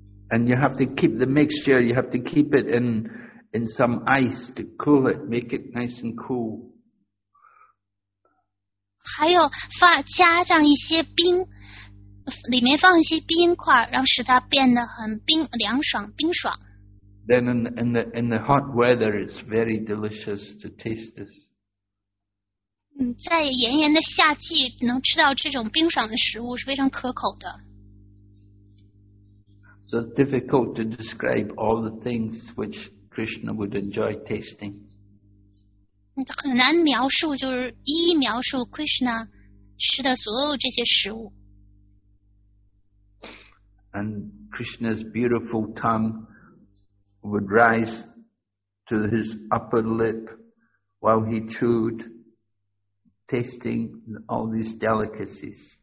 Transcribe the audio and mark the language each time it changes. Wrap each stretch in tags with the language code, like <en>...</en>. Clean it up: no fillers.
<en>And you have to keep the mixture, you have to keep it in some ice to cool it, make it nice and cool.</en> <zh>还有加上一些冰，里面放一些冰块，让使它变得很凉爽，冰爽。</zh> <en>Then in the hot weather, it's very delicious to taste this.</en> <zh>在炎炎的夏季，能吃到这种冰爽的食物是非常可口的。</zh> <en>So it's difficult to describe all the things which Krishna would enjoy tasting.</en> <zh>很难描述，就是一一描述 Krishna 吃的所有这些食物。</zh> <en>And Krishna's beautiful tongue would rise to his upper lip while he chewed, tasting all these delicacies.</en>